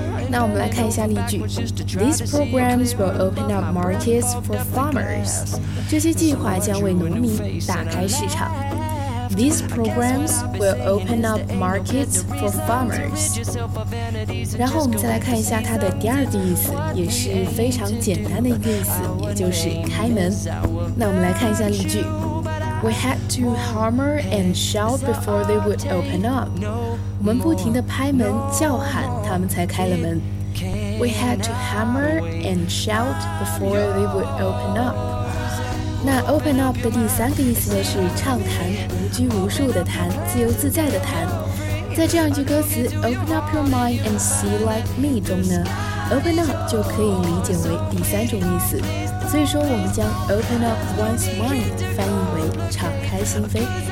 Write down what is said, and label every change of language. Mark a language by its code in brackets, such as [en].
[zh] 那我们来看一下例句 [en] These programs will open up markets for farmers， [zh] 这些计划将为农民打开市场。 [en] These programs will open up markets for farmers。 [zh] 然后我们再来看一下它的第二个意思，也是非常简单的一个意思，也就是开门。那我们来看一下例句 [en] We had to hammer and shout before they would open up。 [zh] 我们不停地拍门叫喊他们才开了门。 [en] We had to hammer and shout before they would open up。 [zh] 那 open up 的第三个意思呢是畅谈，无拘无束的谈，自由自在的谈。在这样一句歌词 [en] open up your mind and see like me [zh] 中呢， open up 就可以理解为第三种意思，所以说我们将 open up one's mind 翻译为敞开心扉。